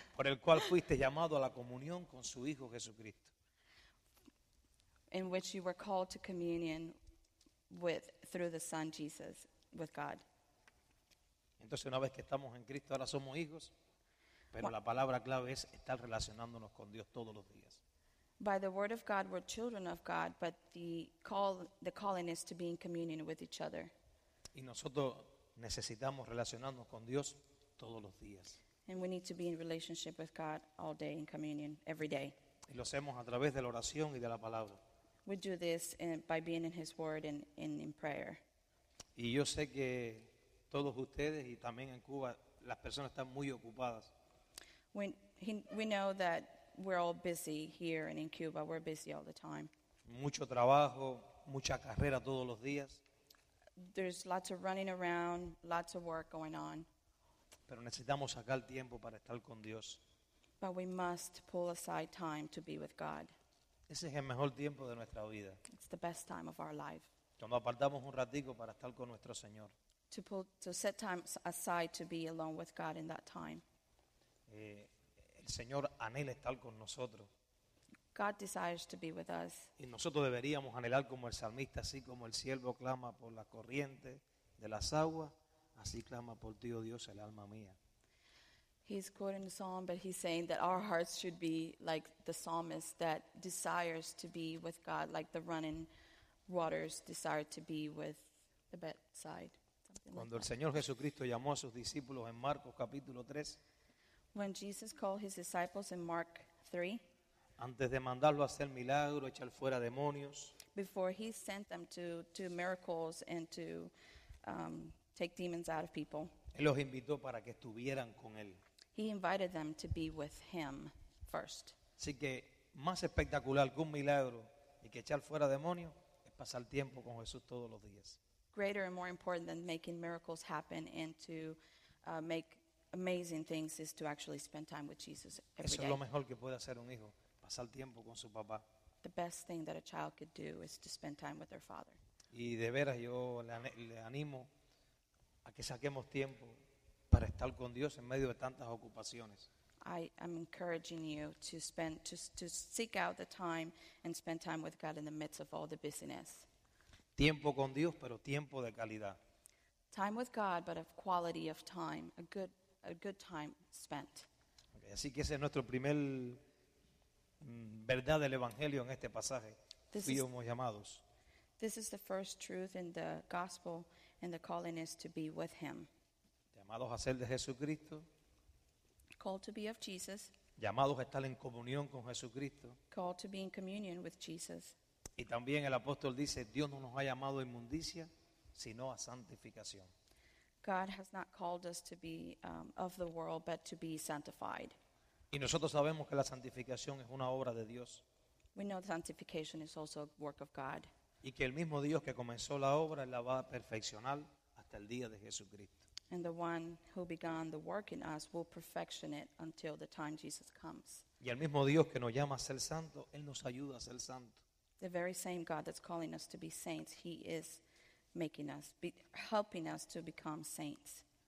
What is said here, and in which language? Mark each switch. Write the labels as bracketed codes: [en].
[es] Por el cual fuiste llamado a la comunión con su hijo Jesucristo. [en] In which you were called to communion through the Son Jesus with God. [es] Entonces una vez que estamos en Cristo ahora somos hijos, pero la palabra clave es estar relacionándonos con Dios todos los días. [en] By the word of God we're children of God, but the calling is to be in communion with each other. [es] Y nosotros necesitamos relacionarnos con Dios todos los días. [en] And we need to be in relationship with God all day in communion every day. [es] Y lo hacemos a través de la oración y de la palabra. [en] We do this by being in his word and in prayer. [es] Y yo sé que todos ustedes y también en Cuba las personas están muy ocupadas. [en] We know that we're all busy here and in Cuba. We're busy all the time. [es] Mucho trabajo, mucha carrera todos los días. [en] There's lots of running around, lots of work going on. [es] Pero necesitamos sacar tiempo para estar con Dios. [en] But we must pull aside time to be with God. [es] Ese es el mejor tiempo de nuestra vida. [en] It's the best time of our life. [es] Cuando apartamos un ratico para estar con nuestro Señor. [en] To set time aside to be alone with God in that time. [es] El Señor anhela estar con nosotros. [en] God desires to be with us. [es] Y nosotros deberíamos anhelar como el salmista, así como el siervo clama por la corriente de las aguas, así clama por ti, oh Dios, el alma mía. [en] He's quoting the psalm, but he's saying that our hearts should be like the psalmist that desires to be with God, like the running waters desire to be with the bedside. [es] Cuando el Señor Jesucristo llamó a sus discípulos en Marcos capítulo 3, [en] when Jesus called his disciples in Mark 3, [es] antes de mandarlo a hacer milagro, echar fuera demonios, [en] before he sent them to miracles and to take demons out of people, [es] él los invitó para que estuvieran con él. [en] He invited them to be with him first. [es] Así que más espectacular que un milagro y que echar fuera demonios es pasar tiempo con Jesús todos los días. [en] Greater and more important than making miracles happen and to make amazing things is to actually spend time with Jesus every day. [es] Eso es lo mejor que puede hacer un hijo. Pasar tiempo con su papá. [en] The best thing that a child could do is to spend time with their father. [es] Y de veras yo le animo a que saquemos tiempo para estar con Dios en medio de tantas ocupaciones. [en] I am encouraging you to seek out the time and spend time with God in the midst of all the busyness. [es] Tiempo con Dios, pero tiempo de calidad. [en] Time with God, but of quality of time, a good time spent. [es] Okay, así que ese es nuestro primer verdad del evangelio en este pasaje. Fuimos llamados. [en] This is the first truth in the gospel, and the calling is to be with him. [es] Llamados a ser de Jesucristo. [en] Called to be of Jesus. [es] Llamados a estar en comunión con Jesucristo. [en] Called to be in communion with Jesus. [es] Y también el apóstol dice, Dios no nos ha llamado a inmundicia, sino a santificación. [en] God has not called us to be of the world, but to be sanctified. [es] Y nosotros sabemos que la santificación es una obra de Dios. [en] We know sanctification is also a work of God. [es] Y que el mismo Dios que comenzó la obra la va a perfeccionar hasta el día de Jesucristo. [en] And the one who began the work in us will perfection it until the time Jesus comes. [es] Y el mismo Dios que nos llama a ser santo, Él nos ayuda a ser santo. [en] The very same God that's calling us to be saints, He is making us, helping us to become saints.